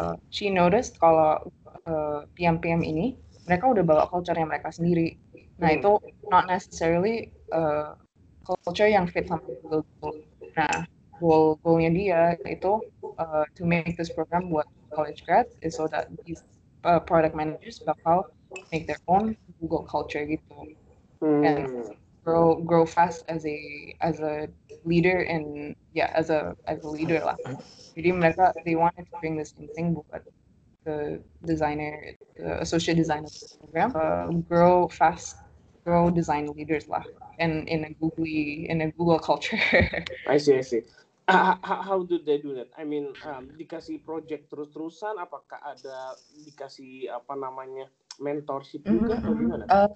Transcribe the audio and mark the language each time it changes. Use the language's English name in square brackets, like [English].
[English] She noticed [Indonesian] kalau PM-PM ini mereka udah bawa culture yang mereka sendiri. Nah, itu [English] not necessarily [Indonesian] culture yang fit sama Google. Nah, goal-nya dia itu [English] to make this program [Indonesian] buat [English] college grads is so that these product managers [Indonesian] bakal [English] make their own Google culture [Indonesian] gitu. [English] And grow fast as a leader and yeah as a leader lah. [Indonesian] Jadi mereka [English] they wanted to bring the same thing [Indonesian] buat [English] the designer, the associate designer program, grow fast, grow design leaders lah, and in a Google culture. I see. How do they do that? [Indonesian] I mean, dikasih project terus-terusan, apakah ada dikasih apa namanya mentorship juga atau gimana?